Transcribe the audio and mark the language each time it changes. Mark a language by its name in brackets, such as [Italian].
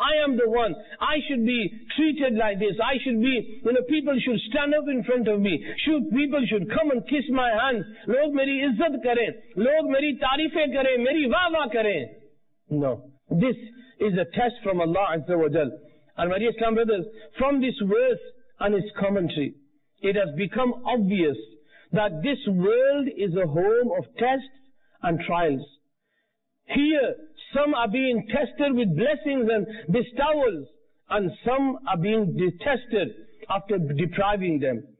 [English] I am the one. I should be treated like this. I should be, you know, people should stand up in front of me. People should come and kiss my hands. [Urdu] لوگ میری عزت کرے۔ لوگ میری تعریفے کرے۔ میری واہ واہ کرے۔ [English] No. This is a test from Allah Azza wa Jal. And my dear Islam brothers, from this verse and its commentary, it has become obvious that this world is a home of tests and trials. Here, some are being tested with blessings and bestowals, and some are being detested after depriving them.